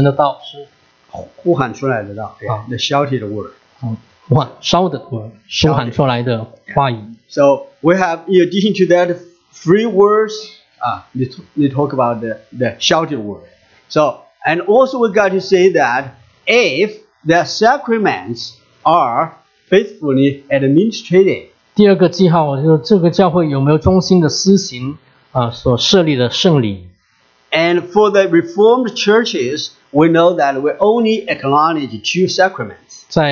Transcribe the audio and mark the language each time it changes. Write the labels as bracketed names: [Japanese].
[Chinese] 有些弟兄，有些人就说忠心传讲神的道是呼喊出来的道，the [English] shouted word. [Chinese] 呼喊烧的，呼喊出来的话语。 [English] So we have in addition to that three words, they talk about the shouted word. So and also we got to say that if the sacraments are faithfully administrated. [Chinese] 第二个记号就是这个教会有没有忠心的施行所设立的圣礼。 [English] And for the Reformed churches, we know that we only acknowledge two sacraments.